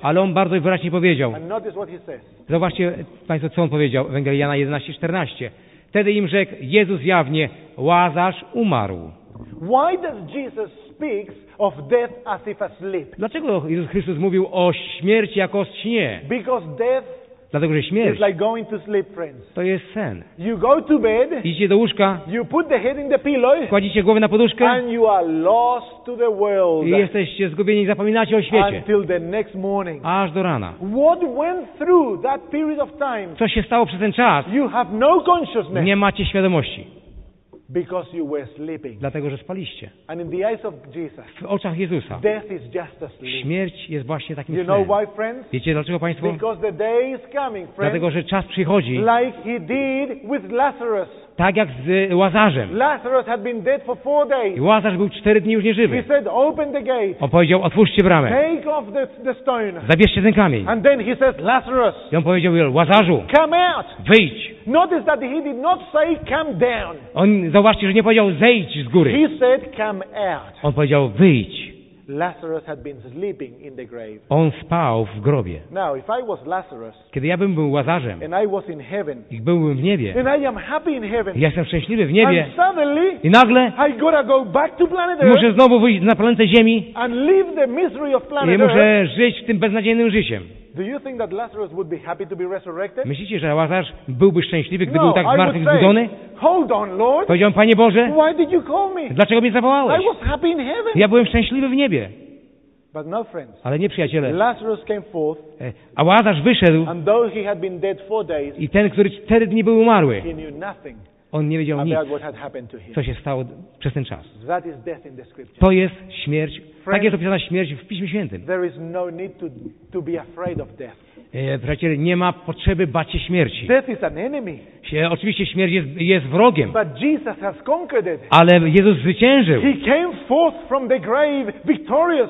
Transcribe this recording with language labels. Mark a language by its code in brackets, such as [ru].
[pl] Ale on bardzo wyraźnie powiedział. [en] And notice what he says. [pl] Zobaczcie Państwo, co on powiedział, Ewangelia Jana 11:14. Wtedy im rzekł Jezus jawnie: Łazarz umarł. [en] Why does Jesus speak of death as if asleep? [pl] Dlaczego Jezus Chrystus mówił o śmierci jako o śnie? [en] Because death, [pl] dlatego że śmierć, [en] is like going to sleep, friends. [pl] To jest sen. [en] You go to bed, [pl] idziecie do łóżka, [en] you put the head in the pillow, [pl] kładziecie głowę na poduszkę, [en] and you are lost to the world, [pl] i jesteście zgubieni i zapominacie o świecie, [en] until the next morning, [pl] aż do rana. [en] What went through that period of time? [pl] Co się stało przez ten czas? [en] You have no consciousness. [pl] Nie macie świadomości. [en] Because you were sleeping. [pl] Dlatego że spaliście. [en] And in the eyes of Jesus, [pl] w oczach Jezusa, [en] death is just a sleep. [pl] Śmierć jest właśnie takim snem. [en] You know why, friends? [pl] Wiecie dlaczego, Państwo? [en] Because the day is coming, friends. [pl] Dlatego że czas przychodzi. [en] Like he did with Lazarus. [pl] Tak jak z Łazarzem. [en] Lazarus had been dead for 4 days. [pl] Łazarz był 4 dni już nieżywy. [en] He said, open the gate. [pl] On powiedział: otwórzcie bramę. [en] Take off the stone. [pl] Zabierzcie ten kamień. [en] And then he says, Lazarus. [pl] I on powiedział: Łazarzu, [en] come out. [pl] Wyjdź. [en] Notice that he did not say come down. [pl] On zauważcie, że nie powiedział zejdź z góry. [en] He said come out. [pl] On powiedział wyjdź. [en] Lazarus had been sleeping in the grave. [pl] On spał w grobie. [en] Now if I was Lazarus, [pl] kiedy ja bym był Łazarzem, [en] and I was in heaven, [pl] i byłbym w niebie, [en] and I am happy in heaven, [pl] ja jestem szczęśliwy w niebie, [en] and suddenly, [pl] i nagle [en] I gotta go back to planet Earth, [pl] muszę znowu wyjść na planetę Ziemi, [en] and live the misery of planet Earth, [pl] i muszę żyć tym beznadziejnym życiem. [en] Do you think that Lazarus would be happy to be resurrected? [pl] Myślicie, że Łazarz byłby szczęśliwy, gdyby był tak zmartwychwzbudzony? [en] Hold on, Lord. [pl] Powiedziałem: Panie Boże, [en] why did you call me? [pl] Dlaczego mnie zawołałeś? [en] I was happy in heaven. [pl] Ja byłem szczęśliwy w niebie. [en] But no, friends. [pl] Ale nie, przyjaciele. [en] Lazarus came forth. [pl] A Łazarz wyszedł. [en] And though he had been dead 4 days. [pl] I ten, który 4 dni był umarły. [en] He knew nothing. [pl] On nie wiedział nic, [en] what had happened to him. [pl] Co się stało przez ten czas. [en] That is death in the scripture. [pl] To jest śmierć. Friends, tak jest opisana śmierć w Piśmie Świętym. [en] There is no need to be afraid of death. [pl] Przyjaciele, nie ma potrzeby bać się śmierci. [en] Death is an enemy. [pl] Oczywiście śmierć jest wrogiem. [en] But Jesus has conquered it. [pl] Ale Jezus zwyciężył. [en] He came forth from the grave victorious.